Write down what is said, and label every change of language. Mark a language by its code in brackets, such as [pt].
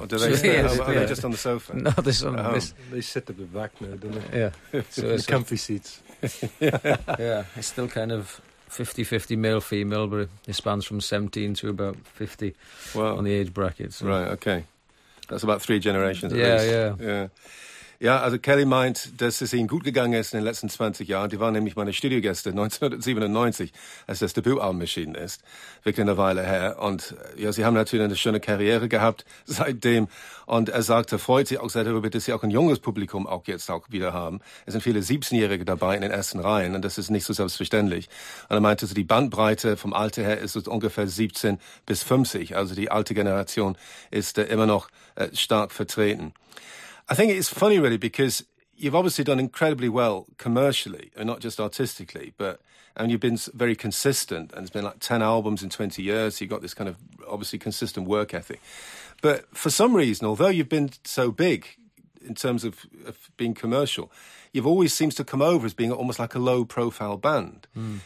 [en] Or do they stay at home? Are they just on the sofa? No, they're on this. They sit at the back now, don't they? Yeah. So it's comfy seats. Yeah. It's still kind of 50-50 male-female, but it spans from 17 to about 50 on the age brackets. So. Right, okay. That's about three generations at least. [de] Ja, also Kelly meint, dass es ihnen gut gegangen ist in den letzten 20 Jahren. Die waren nämlich meine Studiogäste 1997, als das Debütalbum erschienen ist. Wirklich eine Weile her. Und ja, sie haben natürlich eine schöne Karriere gehabt seitdem. Und er sagt, er freut sich auch sehr darüber, dass sie auch ein junges Publikum auch jetzt auch wieder haben. Es sind viele 17-Jährige dabei in den ersten Reihen und das ist nicht so selbstverständlich. Und er meinte, also die Bandbreite vom Alter her ist es ungefähr 17 bis 50. Also die alte Generation ist immer noch stark vertreten. [en] I think it's funny, really, because you've obviously done incredibly well commercially, and not just artistically, but and you've been very consistent, and it's been like 10 albums in 20 years, so you've got this kind of obviously consistent work ethic. But for some reason, although you've been so big in terms of being commercial, you've always seems to come over as being almost like a low-profile band. Mm.